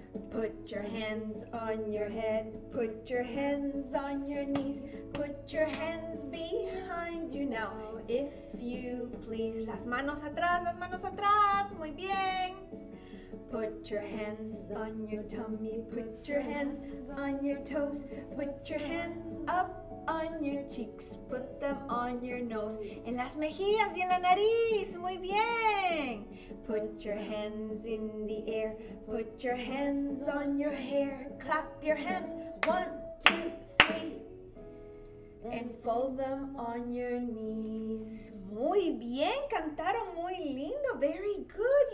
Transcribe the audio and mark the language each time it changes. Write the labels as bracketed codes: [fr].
[en] Put your hands on your head, put your hands on your knees, put your hands behind you now, if you please. [es] Las manos atrás, muy bien. [en] Put your hands on your tummy, put your hands on your toes, put your hands up on your cheeks, put them on your nose. [es] En las mejillas y en la nariz, muy bien. [en] Put your hands in the air, put your hands on your hair, clap your hands, one, two, three, and fold them on your knees. [es] Muy bien, cantaron muy lindo, [en] very good.